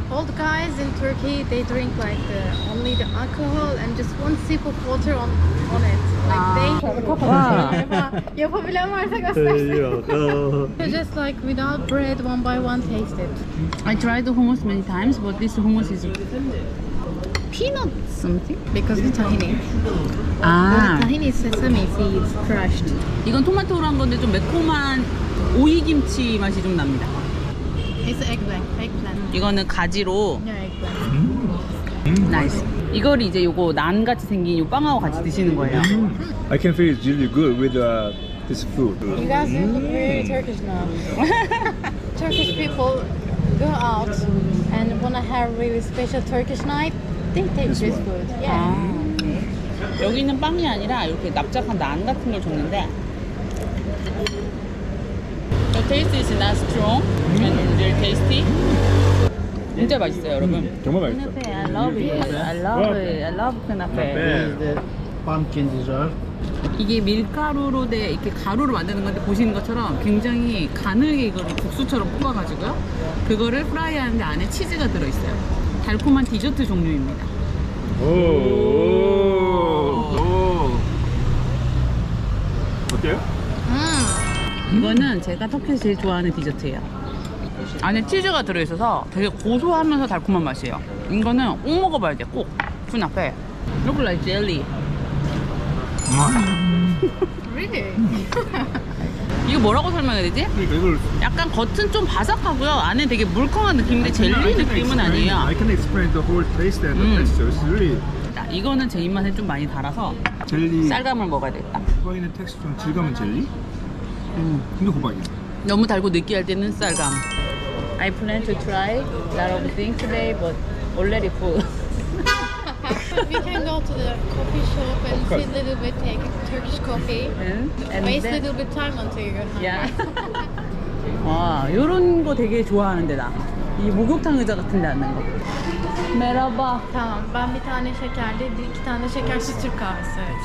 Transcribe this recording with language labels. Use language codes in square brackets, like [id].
[en] All the guys in Turkey they drink like the only the alcohol and just one sip of water on it. Like they. [ko] 와. 옆에 빌라 마을 사가. [en] Just like without bread, one by one, taste it. I tried the hummus many times, but this hummus is peanut something because the tahini. Ah. The tahini is sesame seeds crushed. [ko] 이건 토마토랑 건데 좀 매콤한 오이 김치 맛이 좀 납니다. [en] It's eggplant. [ko] 이거는 가지로. [en] Yeah, eggplant. Nice. [ko] 이걸 이제 요거 난 같이 생긴 요 빵하고 같이 드시는 거예요. [en] I can feel it's really good with this food. You guys look very Turkish now. Turkish people go out and wanna have really special Turkish night. They take this food. Yeah. [ko] 여기는 빵이 아니라 이렇게 납작한 난 같은 걸 줬는데. [en] The taste is not strong and very tasty. [ko] 진짜 맛있어요, 여러분. 정말 맛있어. [en] I love it. I love it. I love Kunafe. Pumpkin dessert. [ko] 이게 밀가루로 돼 이렇게 가루로 만드는 건데 보시는 것처럼 굉장히 가늘게 이걸 국수처럼 뽑아가지고요. 그거를 프라이하는데 안에 치즈가 들어있어요. 달콤한 디저트 종류입니다. 오. 어때요? 이거는 제가 터키에서 제일 좋아하는 디저트예요. 안에 치즈가 들어있어서 되게 고소하면서 달콤한 맛이에요. 이거는 꼭 먹어봐야 돼. 꼭. 분 앞에. [en] Look like jelly. Really? [ko] 이거 뭐라고 설명해야 되지? 약간 겉은 좀 바삭하고요. 안에 되게 물컹한 느낌인데 젤리 느낌은 아니에요. [en] I can explain the whole taste and the texture. Really. [ko] 이거는 제 입맛에 좀 많이 달아서 젤리. 쌀감을 먹어야 되겠다. 이거 있는 텍스처 질감은 젤리? 근데 고바이 너무 달고 느끼할 때는 쌀감. [en] I plan to try a lot of things today, but already full. We can go to the coffee shop and see a little bit, take Turkish coffee. Mm? And waste a little bit time until you're hungry. [ko] Yeah. 와, 요런 거 되게 좋아하는데 나. 이 목욕탕 의자 같은데 앉는 거. [tr] 메라바. 다음, 반비 타네 셰켈데 이키 타네 셰켈 수출 카메스.